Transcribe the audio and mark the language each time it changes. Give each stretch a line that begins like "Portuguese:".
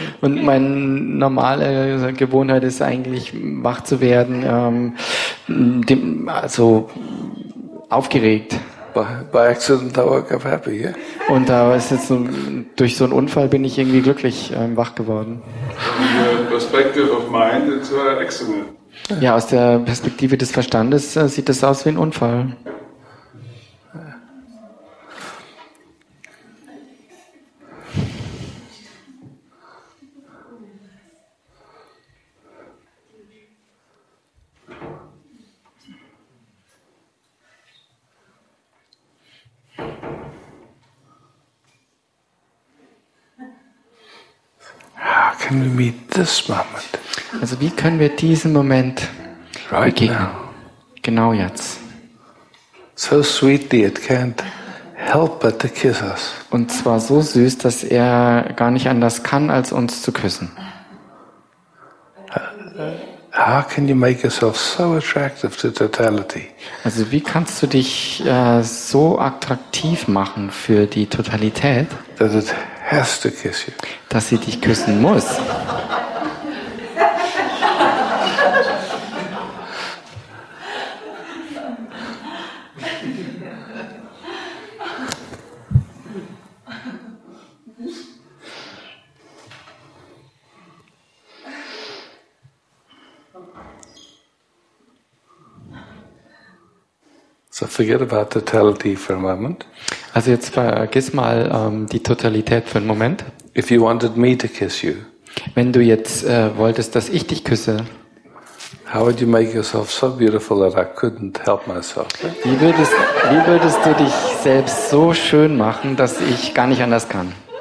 German: Und meine normale Gewohnheit ist eigentlich, wach zu werden, also aufgeregt.
English: By accident I woke up happy, yeah?
German: Und da ist jetzt so, durch so einen Unfall bin ich irgendwie glücklich wach geworden.
English: From your perspective of mind, it's an accident.
German: Ja, aus der Perspektive des Verstandes sieht das aus wie ein Unfall.
English: Can we meet this moment?
German: Also wie können wir diesen Moment
English: right
German: begegnen?
English: Now.
German: Genau jetzt.
English: So sweetly it can't help but to kiss us.
German: Und zwar so süß, dass er gar nicht anders kann, als uns zu küssen.
English: How can you make yourself so attractive to totality?
German: Also wie kannst du dich so attraktiv machen für die Totalität?
English: That it has to kiss you.
German: Dass sie dich küssen muss.
English: So forget about totality for a moment.
German: Also jetzt vergiss mal die Totalität für einen Moment.
English: If you wanted me to kiss you,
German: wenn du jetzt wolltest, dass ich dich küsse,
English: how would you make yourself so beautiful that I couldn't help myself?
German: Wie würdest du dich selbst so schön machen, dass ich gar nicht anders kann?